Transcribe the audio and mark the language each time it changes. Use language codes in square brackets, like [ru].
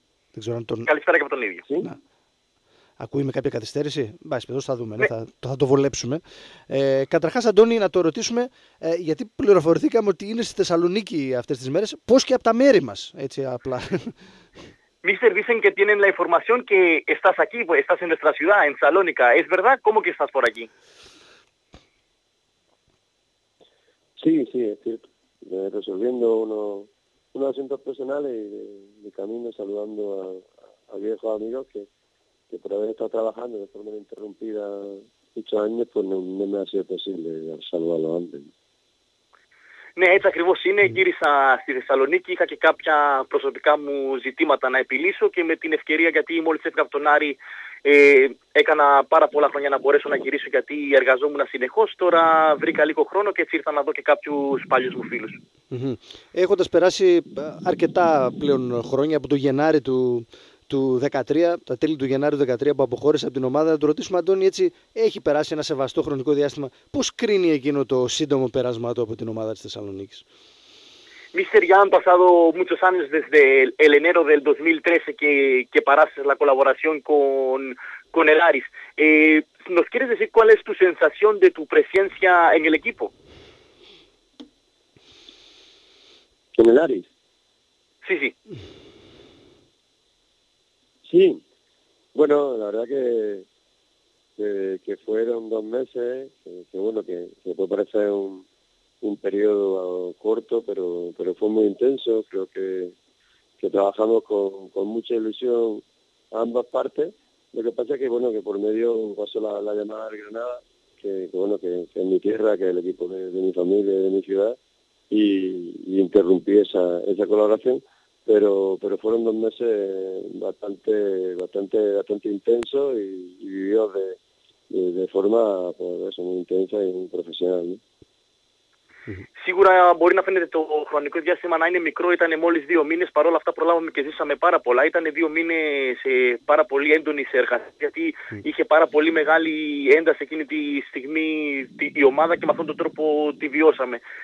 [el] Δεν ξέρω αν τον... Καλησπέρα και από τον ίδιο. Να. Ακούει με κάποια καθυστέρηση. Μπάς, παιδός, θα δούμε. Ναι. Θα το βολέψουμε. Καταρχάς, Αντώνη, να το ρωτήσουμε, γιατί πληροφορηθήκαμε ότι είναι στη Θεσσαλονίκη αυτές τις μέρες, πώς και από τα μέρη μας, έτσι απλά. [es] Mister, dicen que tienen la información que estás aquí, estás en nuestra ciudad, en Salónica. ¿Es verdad? ¿Cómo que estás por aquí? Sí, sí, es cierto. Resolviendo uno... Un asunto personal y de camino saludando a viejos amigos que por haber estado trabajando de forma interrumpida muchos años, pues no me ha sido posible saludarlo antes. [el] Ναι, έτσι ακριβώς είναι. Γύρισα στη Θεσσαλονίκη, είχα και κάποια προσωπικά μου ζητήματα να επιλύσω και με την ευκαιρία, γιατί μόλις έφυγα από τον Άρη έκανα πάρα πολλά χρόνια να μπορέσω να γυρίσω, γιατί εργαζόμουν συνεχώς. Τώρα βρήκα λίγο χρόνο και έτσι ήρθα να δω και κάποιους παλιούς μου φίλους. Έχοντας περάσει αρκετά πλέον χρόνια από το Γενάρη του 13, τα τέλη του Γενάρη του 13 που αποχώρησε από την ομάδα, να του ρωτήσουμε, Αντώνη, έτσι έχει περάσει ένα σεβαστό χρονικό διάστημα, πώς κρίνει εκείνο το σύντομο πέρασμά του από την ομάδα της Θεσσαλονίκης? [es] Mister, ya han pasado muchos años desde el enero del 2013 que paraste la colaboración con el Aris. ¿Nos quieres decir cuál es tu sensación de tu presencia en el equipo? ¿En el Aris? Sí, sí. Sí. Bueno, la verdad que fueron dos meses, que puede parecer un periodo corto, pero fue muy intenso. Creo que trabajamos con mucha ilusión ambas partes. Lo que pasa es que por medio pasó la llamada de Granada, que es mi tierra, que es el equipo de mi familia, de mi ciudad, y interrumpí esa colaboración. Pero fueron dos meses bastante intensos y vividos de forma muy intensa y muy profesional, ¿no? [el] Σίγουρα μπορεί να φαίνεται το χρονικό διάστημα να είναι μικρό, ήταν μόλις δύο μήνες, παρόλα αυτά προλάβαμε και ζήσαμε πάρα πολλά. Ήταν δύο μήνες πάρα πολύ έντονη σε εργασία, γιατί είχε πάρα πολύ μεγάλη ένταση εκείνη τη στιγμή η ομάδα και με αυτόν τον τρόπο τη βιώσαμε.